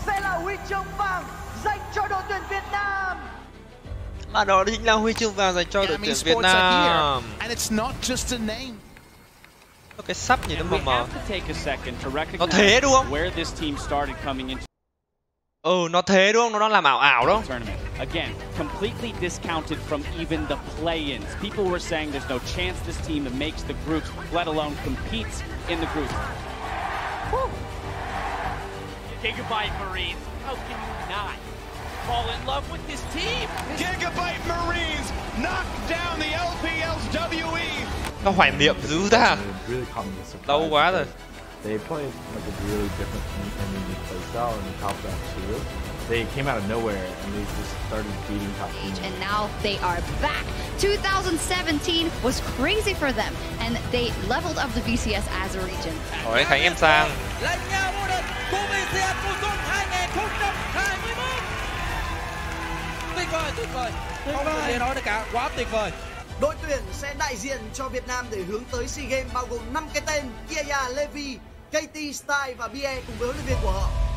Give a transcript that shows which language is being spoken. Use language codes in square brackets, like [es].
[vi] Sẽ là huy chương vàng dành cho đội tuyển Việt Nam. Mà đó chính là huy chương vàng dành cho đội tuyển Việt Nam. [en] And it's not just a [vi] name. Cái sắp nhìn nó mờ mờ. Nó thế đúng không? [en] Where this team started coming into. [vi] Ừ, nó thế đúng không? Nó đang làm ảo ảo đúng không? [en] Again, completely discounted from even the play-ins. People were saying there's no chance this team makes the group, let alone competes in the group. Gigabyte Marines, how can you not fall in love with this team? Gigabyte Marines knocked down the LPL's WE. [vi] Nó hoài niệm dữ ta. Lâu quá rồi. [en] They played like a really different team in the playstyle and top deck too. They came out of nowhere and they just started beating top teams. And now they are back. 2017 was crazy for them and they leveled up the BCS as a region. [vi] Ôi thấy em sang. Là nhà vô địch của BCS mùa xuân 2021. Tuyệt vời. Không có gì nói được cả. Quá tuyệt vời. Đội tuyển sẽ đại diện cho Việt Nam để hướng tới SEA Games bao gồm 5 cái tên Kia, Levi, KT, Style và BE cùng với huấn luyện viên của họ.